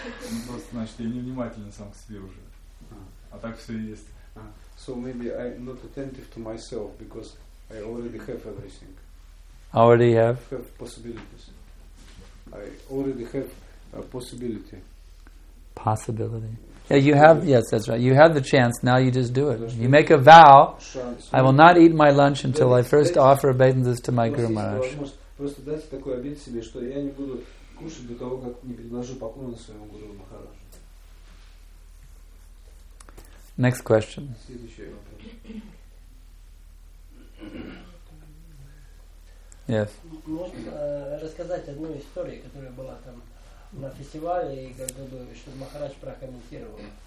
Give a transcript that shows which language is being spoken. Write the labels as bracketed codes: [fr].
[ru] Ну, просто, значит, я невнимательный сам к себе уже. А так все и есть. [en] So maybe I'm not attentive to myself, because I already have everything. Already have? Have possibilities. I already have a possibility. Possibility. Yeah, you have, yes, that's right. You have the chance, now you just do it. You make a vow, I will not eat my lunch until I first offer obeisances to my Guru Maharaj. [ru] Просто дайте такой обет себе, что я не буду кушать до того, как не предложу поклоны своему Гуру Махараджу. [en] Next question. Yes. [ru] Можно рассказать одну историю, которая была там на фестивале, и как бы чтобы Махарадж прокомментировал.